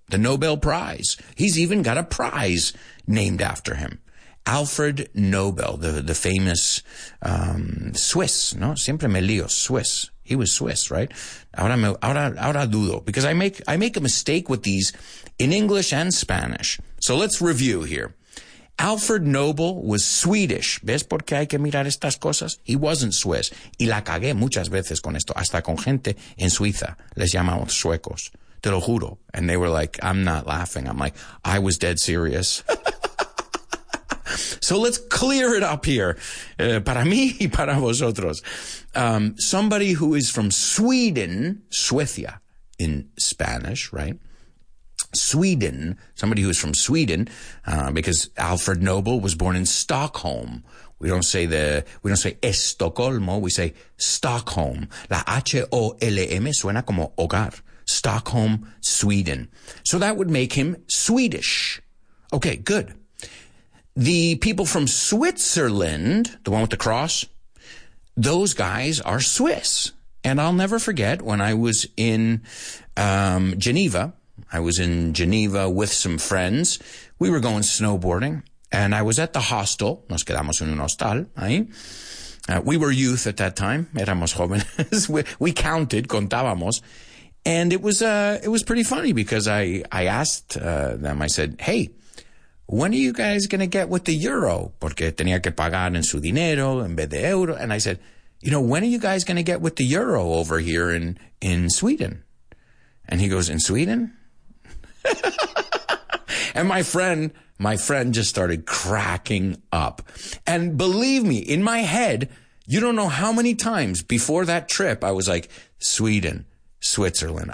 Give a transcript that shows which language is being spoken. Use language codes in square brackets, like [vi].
[en] The Nobel Prize. He's even got a prize named after him. Alfred Nobel, the famous Swiss, no? [es] Siempre me lío, [en] Swiss. He was Swiss, right? [es] Ahora dudo, [en] because I make a mistake with these in English and Spanish. So let's review here. Alfred Nobel was Swedish. [es] ¿Ves por qué hay que mirar estas cosas? [en] He wasn't Swiss. [es] Y la cagué muchas veces con esto, hasta con gente en Suiza. Les llamamos suecos. Te lo juro. [en] And they were like, I'm not laughing. I'm like, I was dead serious. So let's clear it up here, [es] para mí y para vosotros. [en] Somebody who is from Sweden, Suecia in Spanish, right? Sweden, somebody who is from Sweden, because Alfred Nobel was born in Stockholm. We don't say Estocolmo, we say Stockholm. [es] La H-O-L-M suena como hogar. [en] Stockholm, Sweden. So that would make him Swedish. Okay, good. The people from Switzerland, the one with the cross, those guys are Swiss. And I'll never forget when I was in Geneva. I was in Geneva with some friends. We were going snowboarding. And I was at the hostel. [es] Nos quedamos en un hostal, ahí. [en] We were youth at that time. [es] Éramos jóvenes. [en] We counted, [es] contábamos. [en] And it was pretty funny because I asked them, I said, hey, when are you guys going to get with the euro? [es] Porque tenía que pagar en su dinero en vez de euro. [en] And I said, you know, when are you guys going to get with the euro over here in Sweden? And he goes, in Sweden? And my friend just started cracking up. And believe me, in my head, you don't know how many times before that trip, I was like, Sweden, Switzerland.